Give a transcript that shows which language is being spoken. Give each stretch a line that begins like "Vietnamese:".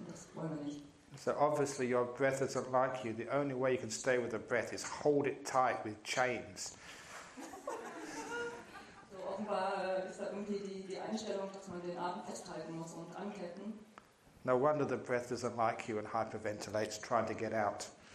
German: Das wollen wir nicht.
English: So obviously your breath isn't like you. The only way you can stay with the breath is hold it tight with chains.
German: So offenbar ist da irgendwie die Einstellung, dass man den Atem festhalten muss und anketten.
English: No wonder the breath isn't like you and hyperventilates trying to get out.